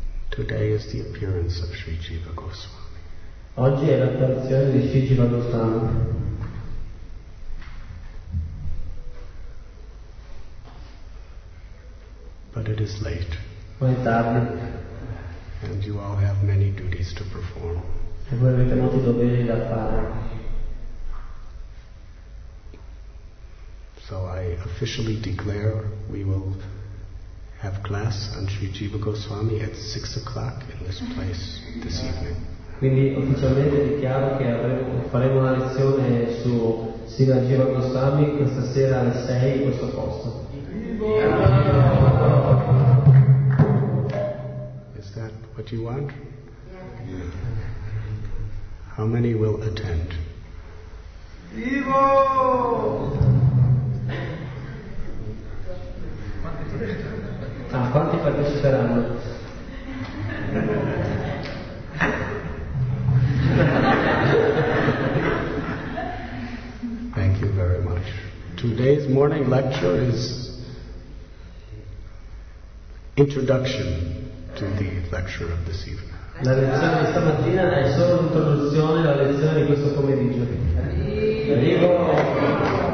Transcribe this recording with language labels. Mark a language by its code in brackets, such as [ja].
[en] Today is the appearance of Sri Jiva Goswami. [it] Oggi è l'apparizione di Sri Jiva Goswami. [en] But it is late. [it] Ma è tardi. [en] And you all have many duties to perform. [it] E voi avete molti doveri da fare. [en] So I officially declare we will have class on Sri Jiva Goswami at 6 o'clock in this place this evening. [it] Quindi ufficialmente dichiaro che faremo una lezione su Sri Jiva Goswami questa sera alle 6 in questo posto. [en] Is that what you want? How many will attend? [it] Vivo! Ah, quanti parteciperanno? [en] Thank you very much. Today's morning lecture is introduction to the lecture of this evening. [it] La lezione di stamattina è solo l'introduzione alla lezione di questo pomeriggio. Arrivo!